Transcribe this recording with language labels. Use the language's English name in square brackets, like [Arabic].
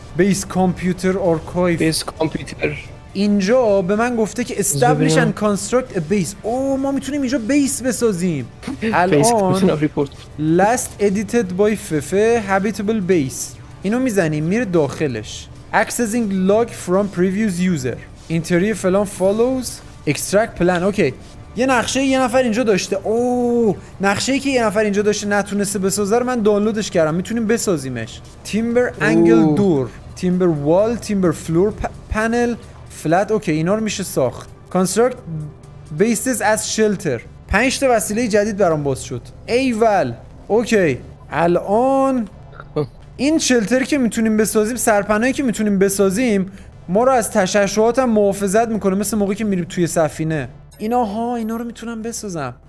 [Persian] بیس کامپیوتر آرکایو. بیس کامپیوتر. اینجا به من گفته که [English] establish and construct a base. [Persian] ما میتونیم اینجا بیس بسازیم. الان [English] last edited by [Persian] ففه habitable base. اینو میزنیم میره داخلش. [English] accessing log from previous user. Interior فلان follows. Extract plan. [Persian] اوکی. یه نقشه یه نفر اینجا داشته. نقشه‌ای که یه نفر اینجا داشته نتونسته بسازه رو من دانلودش کردم. میتونیم بسازیمش. [English] Timber angle door. Timber wall. Timber floor panel. Flat. Okay. [Persian] اینا رو میشه ساخت. [English] Construct bases as shelter. [Persian] 5 تا وسیله جدید برام باز شد. ایول. اوکی. الان این شلتر که میتونیم بسازیم، سرپناهی که میتونیم بسازیم، ما رو از تشعشعات هم محافظت میکنه، مثل موقعی که میریم توی سفینه. اینا ها، اینا رو میتونم بسازم.